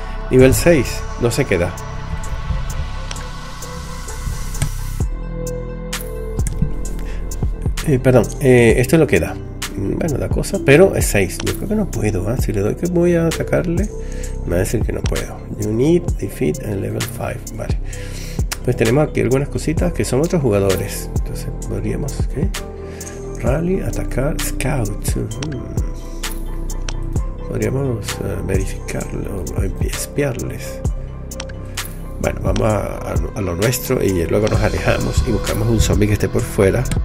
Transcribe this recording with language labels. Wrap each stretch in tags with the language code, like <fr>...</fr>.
<es>Nivel 6. No se queda. Perdón. Esto es lo que da. Bueno, la cosa, pero es 6. Yo creo que no puedo, ¿eh? Si le doy que voy a atacarle, me va a decir que no puedo.</es> <en>You need defeat and level 5.</en> <es>Vale. Pues tenemos aquí algunas cositas que son otros jugadores. Entonces podríamos, ¿qué? Rally, atacar, scout. Podríamos verificarlo, espiarles. Bueno, vamos a lo nuestro y luego nos alejamos y buscamos un zombie que esté por fuera.</es>